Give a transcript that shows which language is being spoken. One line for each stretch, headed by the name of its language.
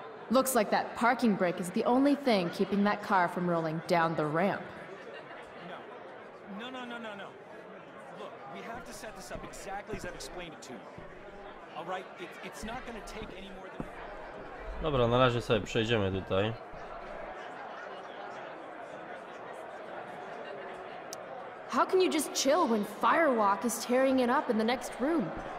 English: Looks like that parking brake is the only thing keeping that car from rolling down the ramp. No. No, no, no, no, no. Look, we have to set this up exactly as I've explained it to you. All right, it's not gonna take any more than...
Polish: Dobra, na razie sobie przejdziemy tutaj.
English: How can you just chill when Firewalk is tearing it up in the next room?